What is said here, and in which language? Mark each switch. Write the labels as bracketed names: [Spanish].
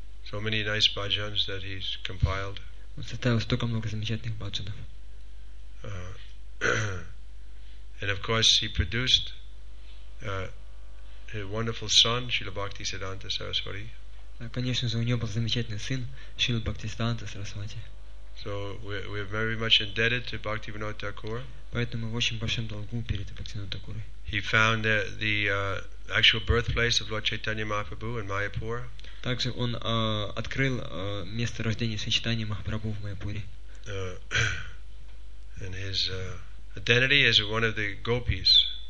[English] So many nice bhajans that he's compiled. [Russian] Он составил столько много замечательных баджанов. [English] And of course he produced his wonderful son, Srila Bhakti Siddhanta Saraswati. [Russian] Конечно же, у него был замечательный сын, Шрила Бхактисиддханта Сарасвати. [English] So we are very much indebted to Bhaktivinoda Thakur. [Russian] Поэтому мы очень большим долгом перед Бхактивинодой Такурой. [English] He found the actual birthplace of Lord Chaitanya Mahaprabhu in Mayapur. [Russian] Также он открыл место рождения Шри Чайтаньи Махапрабху в Майяпуре. [English] And his identity is one of the gopis.